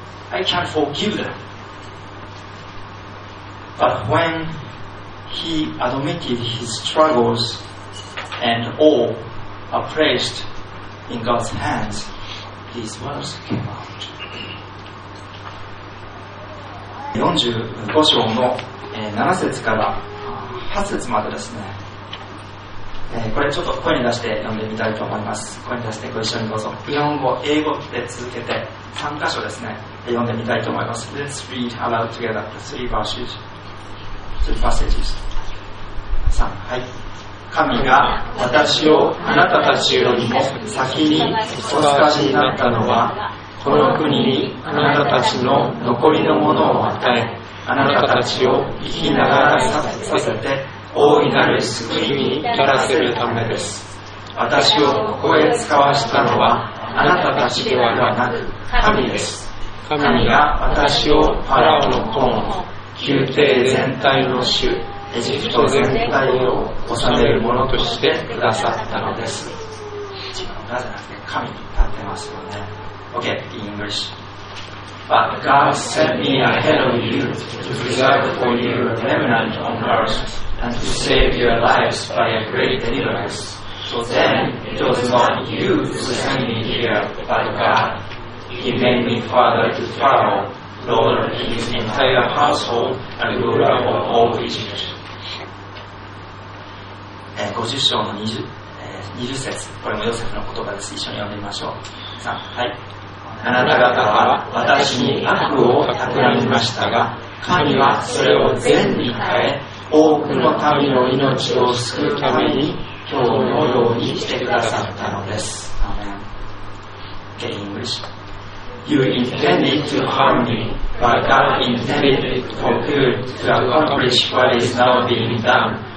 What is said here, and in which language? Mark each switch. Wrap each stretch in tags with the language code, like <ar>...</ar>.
<en>I can't forgive them. But when he admitted his struggles and all are placed in God's hands, these words came out.</en> <ja>45章の7節から8節までですね、これちょっと声に出して読んでみたいと思います。声に出してご一緒にどうぞ。日本語、英語で続けて3箇所ですね、読んでみたいと思います。</ja> <en>Let's read aloud together the three verses. Three passages.</en> <ja>3、はい。神が私をあなたたちよりも先にお使いになったのは、この国にあなたたちの残りのものを与え、あなたたちを生きながらさせて大いなる救いに至らせるためです。私をここへ使わしたのはあなたたちではなく神です。神が私をファラオの子の宮廷全体の主、エジプト全体を治めるものとしてくださったのです。自分がじゃなくて神に立ってますよね。</ja> <en>OK, English. But God sent me ahead of you to preserve for you a remnant on earth and to save your lives by a great deliverance. So then it was not you who sent me here, but God. He made me father to Pharaoh, Lord of his entire household and ruler of all Egypt.</en> <ja>50章の 20節、これもヨセフの言葉です。一緒に読んでみましょう。 3、はい。あなた方は私に悪を企みましたが、神はそれを善に変え、多くの民の命を救うために今日のようにしてくださったのです。</ja> <en>アーメン。Okay, English. You intended to harm me, but God intended it for good to accomplish what is now being done.</en>